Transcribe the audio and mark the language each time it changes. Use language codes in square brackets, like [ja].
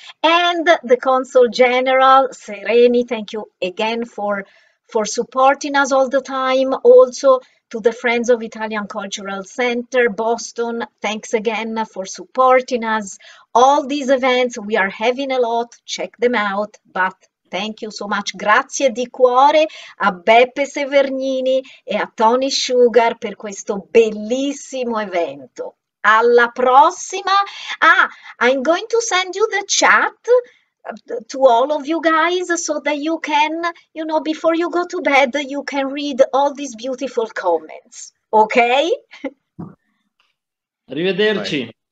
[en] And the Consul General, Sereni, thank you again for supporting us all the time. Also, to the Friends of Italian Cultural Center, Boston, thanks again for supporting us. All these events, we are having a lot, check them out, but thank you so much. [it] Grazie di cuore a Beppe Severgnini e a Tony Shugaar per questo bellissimo evento. Alla prossima! [en] Ah, I'm going to send you the chat to all of you guys so that you can, you know, before you go to bed, you can read all these beautiful comments. Okay? [it] Arrivederci.